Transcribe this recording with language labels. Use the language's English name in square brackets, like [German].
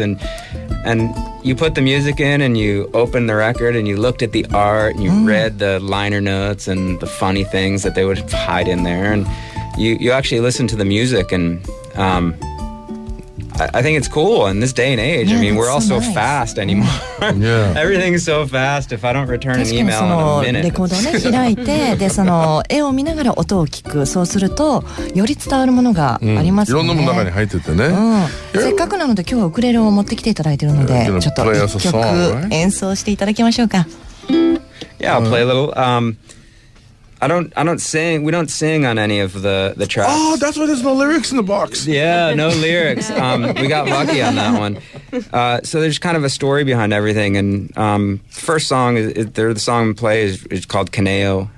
[English] And you put the music in and you opened the record and you looked at the art and you read the liner notes and the funny things that they would hide in there. And you actually listened to the music. And I think it's cool in this day and age. Yeah, I mean, we're all so nice. Fast anymore. Yeah. Everything's so fast. If I don't return an email in a minute. [Japanese] レコードを、ね、開いて、で、その絵を見ながら音を聞く。そうすると、より伝わるものがありますよね。うん、いろんなものの中に入っててね。うん、せっかくなので、今日はウクレレを持ってきていただいてるので、ちょっと一曲演奏していただきましょうか。 [English] Yeah, I'll play a little. I don't sing. We don't sing on any of the tracks. Oh, that's why there's no lyrics in the box. Yeah, no lyrics. We got lucky on that one. So there's kind of a story behind everything. And first song, the song we play is called Kaneo.